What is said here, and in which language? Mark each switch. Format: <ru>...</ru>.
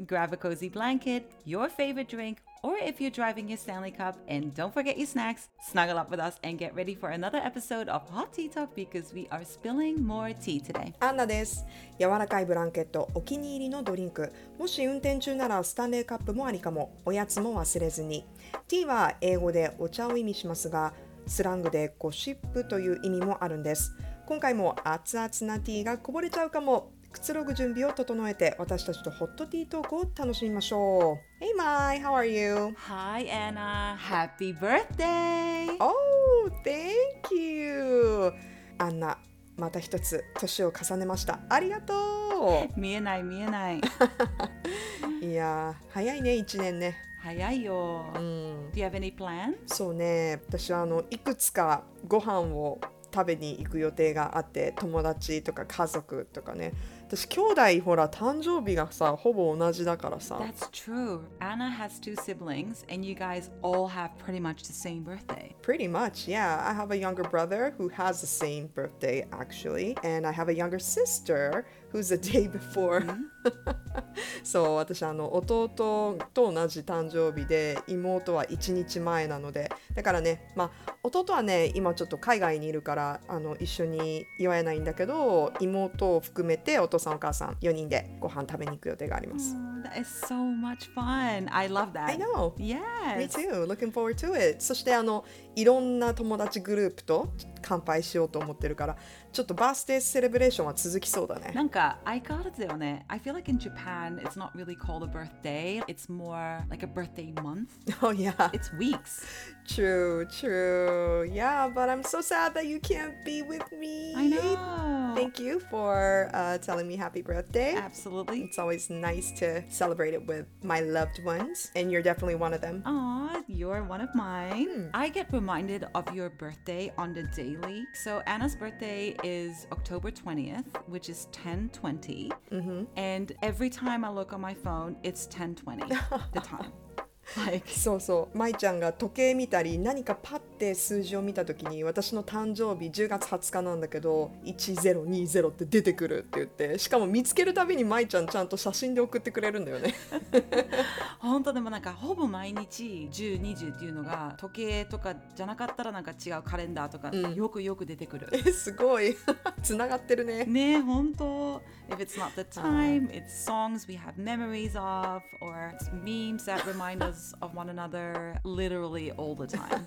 <en>Grab a cozy blanket, your favorite drink, or if you're driving your Stanley Cup, and don't forget your snacks, snuggle up with us and get ready for another episode of Hot Tea Talk because we are spilling more tea today.</en> <ja>アンナです。柔らかいブランケット、お気に入りのドリンク。もし運転中ならスタンレーカップもありかも。おやつも忘れずに。ティーは英語でお茶を意味しますが、スラングでゴシップという意味もあるんです。今回も熱々なティーがこぼれちゃうかも。くつろぐ準備を整えて私たちとホットティートークを楽しみましょう。 Hey Mai, how are you? Hi Anna, happy birthday! Oh, thank you! アンナ、また一つ年を重ねました。ありがとう。見えない見えないいや早いね、1年ね。早いよ、うん、</ja> <en>Do you have any plan?</en> <ja>そうね、私はいくつかご飯を食べに行く予定があって、友達とか家族とかね。私兄弟ほら誕生日がさほぼ同じだからさ。</ja> <en>That's true. Anna has two siblings and you guys all have pretty much the same birthday. Pretty much, yeah. I have a younger brother who has the same birthday actually. And I have a younger sister who's the day before.</en> <ja>そう、私弟と同じ誕生日で、妹は1日前なので、だからね、まあ弟はね今ちょっと海外にいるから一緒に祝えないんだけど、妹を含めてお父さんお母さん4人でご飯食べに行く予定があります。</ja> <en>That is so much fun. I love that. I know. Yes. Me too. Looking forward to it.</en> <ja>そしていろんな友達グループと乾杯しようと思ってるから、ちょっとバースデーセレブレーションは続きそうだね。なんか相変わらずだよね。</ja> <en>I feel like in Japan it's not really called a birthday. It's more like a birthday month. Oh yeah. It's weeks. True, true. Yeah, but I'm so sad that you can't be with me. I know. Thank you for telling me happy birthday. Absolutely. It's always nice to celebrate it with my loved ones. And you're definitely one of them. Aw, you're one of mine. Hmm. I get reminded of your birthday on the daily. So Anna's birthday is October 20th, which is 10:20. Mm-hmm. And every time I look on my phone, it's 10:20, the time.</en> <ja>Like, そうそう、舞ちゃんが時計見たり何かパッて数字を見た時に、私の誕生日10月20日なんだけど1020って出てくるって言って、しかも見つけるたびに舞ちゃんちゃんと写真で送ってくれるんだよね本当。でもなんかほぼ毎日10、20っていうのが時計とかじゃなかったらなんか違うカレンダーとか、うん、よくよく出てくるすごいつながってるね。ねえ、本当。</ja> <en>If it's not the time, it's songs we have memories of or it's memes that remind usof one another literally all the time.</en>